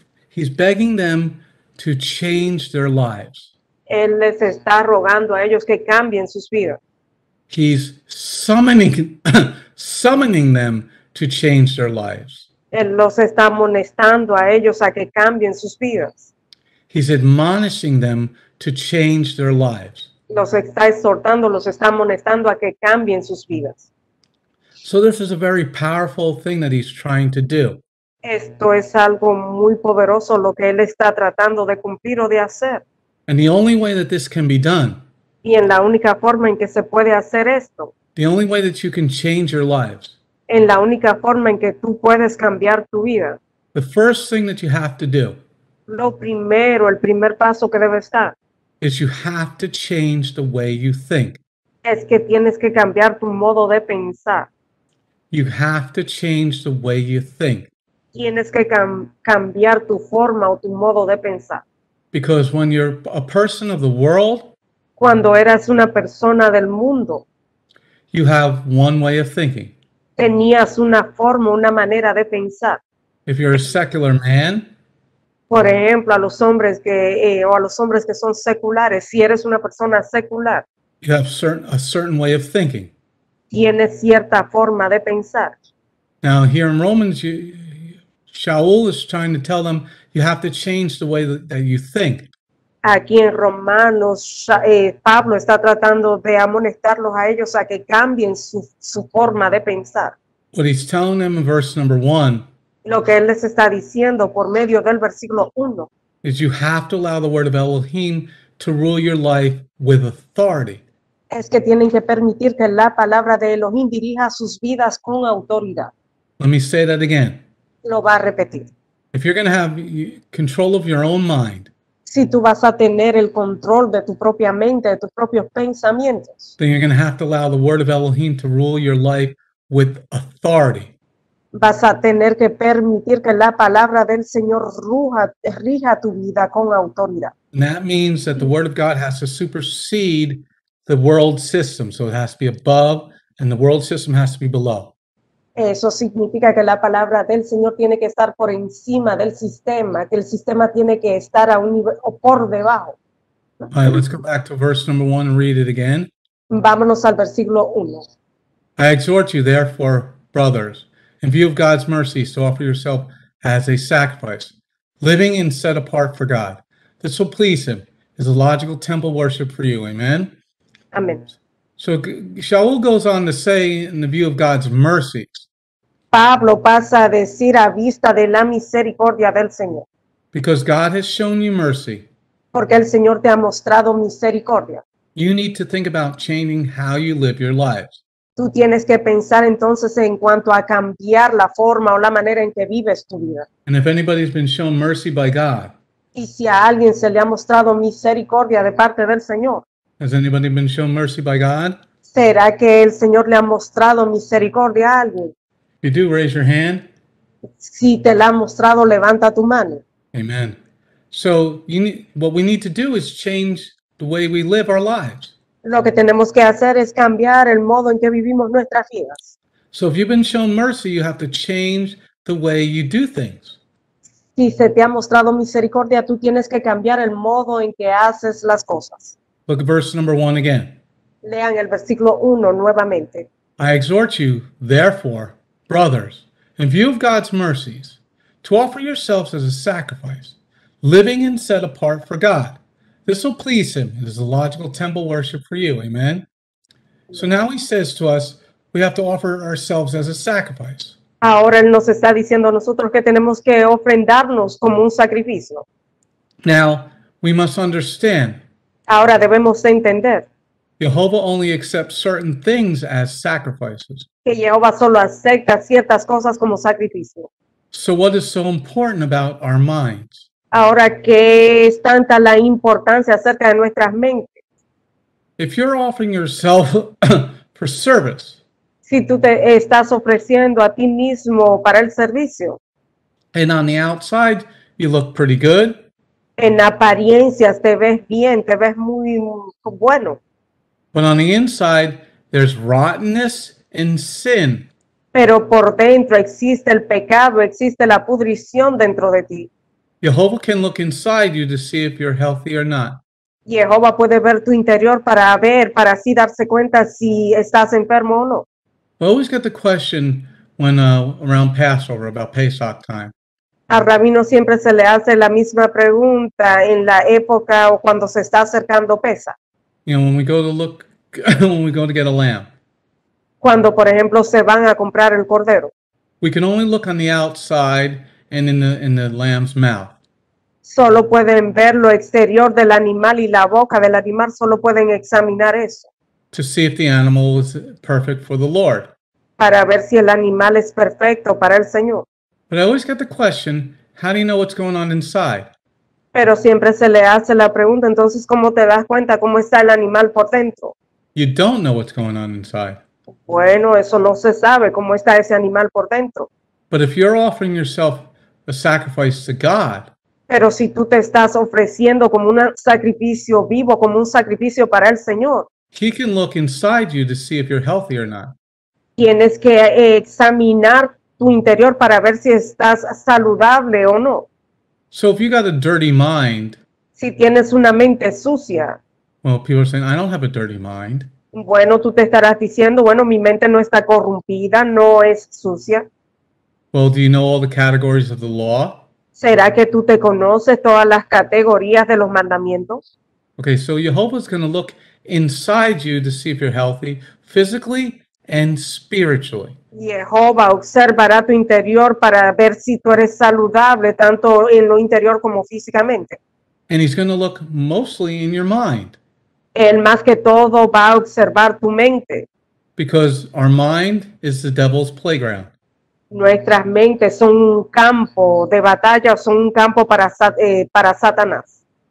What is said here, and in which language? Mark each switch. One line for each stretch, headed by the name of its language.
English: He's begging them to change their lives.
Spanish: Él les está rogando a ellos que cambien sus vidas.
English: He's summoning them to change their lives.
Spanish: Él los está amonestando a ellos a que cambien sus vidas.
English: He's admonishing them to change their lives.
Spanish: Los está exhortando, los está amonestando a que cambien sus vidas.
English: So this is a very powerful thing that he's trying to do.
Spanish: Esto es algo muy poderoso lo que él está tratando de cumplir o de hacer.
English: And the only way that this can be done.
Spanish: Y en la única forma en que se puede hacer esto.
English: The only way that you can change your lives.
Spanish: En la única forma en que tú puedes cambiar tu vida.
English: The first thing that you have to do.
Spanish: Lo primero, el primer paso que debe estar.
English: Is you have to change the way you think.
Spanish: Es que tienes que cambiar tu modo de pensar.
English: You have to change the way you think.
Spanish: Tienes que cambiar tu forma o tu modo de pensar.
English: Because when you're a person of the world.
Spanish: Cuando eras una persona del mundo.
English: You have one way of thinking.
Spanish: Tenías una forma, una manera de pensar.
English: If you're a secular man.
Spanish: Por ejemplo, a los hombres que o a los hombres que son seculares, si eres una persona secular.
English: You have a certain way of thinking.
Spanish: Tienes cierta forma de pensar.
English: Now, here in Romans, Shaul is trying to tell them you have to change the way that you think.
Spanish: Aquí en Romanos, Pablo está tratando de amonestarlos a ellos a que cambien su forma de pensar.
English: What he's telling them in verse number one,
Spanish: lo que él les está diciendo por medio del versículo 1
English: is you have to allow the word of Elohim to rule your life with authority.
Spanish: Es que tienen que permitir que la palabra de Elohim dirija sus vidas con autoridad.
English: Let me say that again.
Spanish: Lo va a repetir.
English: If you're going to have control of your own mind,
Spanish: si tú vas a tener el control de tu propia mente, de tus propios pensamientos,
English: then you're going to have to allow the word of Elohim to rule your life with authority.
Spanish: Vas a tener que permitir que la palabra del Señor rija tu vida con autoridad.
English: And that means that the word of God has to supersede the world system. So it has to be above and the world system has to be below.
Spanish: Eso significa que la palabra del Señor tiene que estar por encima del sistema, que el sistema tiene que estar a un nivel o por debajo.
English: All right, let's go back to verse number one and read it again.
Spanish: Vámonos al versículo uno.
English: I exhort you, therefore, brothers, in view of God's mercies, to offer yourself as a sacrifice, living and set apart for God. This will please Him, is a logical temple worship for you. Amen? Amen. So Shaul goes on to say, in the view of God's mercies.
Spanish: Pablo pasa a decir a vista de la misericordia del Señor.
English: Because God has shown you mercy.
Spanish: Porque el Señor te ha mostrado misericordia.
English: You need to think about changing how you live your lives.
Spanish: Tú tienes que pensar entonces en cuanto a cambiar la forma o la manera en que vives tu vida.
English: And if anybody's been shown mercy by God.
Spanish: Y si a alguien se le ha mostrado misericordia de parte del Señor.
English: Has anybody been shown mercy by God?
Spanish: ¿Será que el Señor le ha mostrado misericordia a alguien?
English: If you do, raise your hand.
Spanish: Si te la ha mostrado, levanta tu mano.
English: Amen. So what we need to do is change the way we live our lives.
Spanish: Lo que tenemos que hacer es cambiar el modo en que vivimos nuestras vidas.
English: So if you've been shown mercy, you have to change the way you do things.
Spanish: Si se te ha mostrado misericordia, tú tienes que cambiar el modo en que haces las cosas.
English: Look at verse number one again.
Spanish: Lean el versículo uno nuevamente.
English: I exhort you, therefore, brothers, in view of God's mercies, to offer yourselves as a sacrifice, living and set apart for God. This will please Him. It is a logical temple worship for you. Amen. So now He says to us, we have to offer ourselves as a sacrifice.
Spanish: Ahora Él nos está diciendo a nosotros que tenemos que ofrendarnos como un sacrificio.
English: Now, we must understand.
Spanish: Ahora debemos entender.
English: Jehovah only accepts certain things as sacrifices.
Spanish: Que Jehová solo acepta ciertas cosas como sacrificio.
English: So what is so important about our minds?
Spanish: Ahora, ¿qué es tanta la importancia acerca de nuestras mentes?
English: If you're offering yourself for service.
Spanish: Si tú te estás ofreciendo a ti mismo para el servicio.
English: And on the outside, you look pretty good.
Spanish: En apariencias te ves bien, te ves muy bueno.
English: But on the inside, there's rottenness and sin.
Spanish: Pero por dentro existe el pecado, existe la pudrición dentro de ti.
English: Jehovah can look inside you to see if you're healthy or not.
Spanish: Jehová puede ver tu interior para ver, para así darse cuenta si estás enfermo o no.
English: I always get the question when around Passover about Pesach time.
Spanish: A Rabino siempre se le hace la misma pregunta en la época o cuando se está acercando Pesa.
English: You know, when we go to look, when we go to get a lamb.
Spanish: Cuando, por ejemplo, se van a comprar el cordero.
English: We can only look on the outside and in the lamb's mouth.
Spanish: Solo pueden ver lo exterior del animal y la boca del animal, solo pueden examinar eso.
English: To see if the animal is perfect for the Lord.
Spanish: Para ver si el animal es perfecto para el Señor.
English: But I always get the question, how do you know what's going on inside?
Spanish: Pero siempre se le hace la pregunta, entonces, ¿cómo te das cuenta cómo está el animal por dentro?
English: You don't know what's going on inside.
Spanish: Bueno, eso no se sabe, ¿cómo está ese animal por dentro?
English: But if you're offering yourself a sacrifice to God,
Spanish: pero si tú te estás ofreciendo como un sacrificio vivo, como un sacrificio para el Señor,
English: He can look inside you to see if you're healthy or not.
Spanish: Tienes que examinar tu interior para ver si estás saludable o no.
English: So if you got a dirty mind.
Spanish: Si tienes una mente sucia.
English: Well, people are saying, I don't have a dirty mind.
Spanish: Bueno, tú te estarás diciendo, bueno, mi mente no está corrompida, no es sucia.
English: Well, do you know all the categories of the law?
Spanish: ¿Será que tú te conoces todas las categorías de los mandamientos?
English: Okay, so Jehovah's going to look inside you to see if you're healthy physically and spiritually.
Spanish: Jehová observará tu interior para ver si tú eres saludable tanto en lo interior como físicamente.
English: And he's going to look mostly in your mind.
Spanish: Él más que todo va a observar tu mente.
English: Because our mind is the devil's playground.
Spanish: Nuestras mentes son un campo de batalla, son un campo para Satanás.